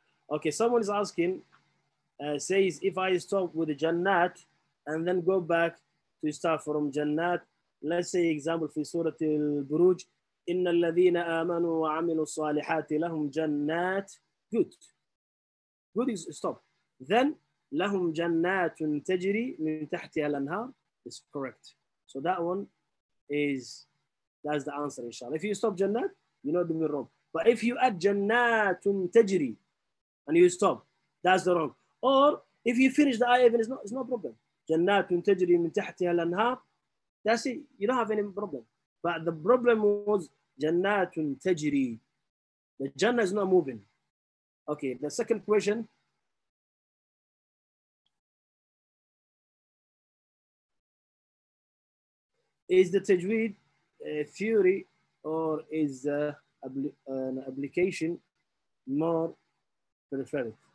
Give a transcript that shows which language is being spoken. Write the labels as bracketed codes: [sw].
[en] Okay, someone is asking, says, if I stop with the Jannat and then go back to start from Jannat, let's say example for Surah Al-Buruj, [ar] إِنَّ الَّذِينَ آمَنُوا وَعَمِلُوا الصَّالِحَاتِ لَهُمْ جَنَّاتٍ [en] good. Good is stop. Then, [ar] لَهُمْ جَنَّاتٌ تَجْرِي مِنْ تَحْتِهَا الْأَنْهَارِ [en] is correct. So that one is, that's the answer, inshallah. If you stop Jannat, you know the wrong. But if you add [ar] جَنَّاتٌ تَجْرِي [en] and you stop, that's the wrong. Or if you finish the ayah, it's no problem. [ar] جَنَّاتٌ تَجْرِي مِنْ تَحْتِهَا الْأَنْهَارِ, [en] that's it. You don't have any problem. But the problem was Jannatun Tajri. The Jannah is not moving. Okay, the second question. Is the Tajweed a theory or is an application more preferred?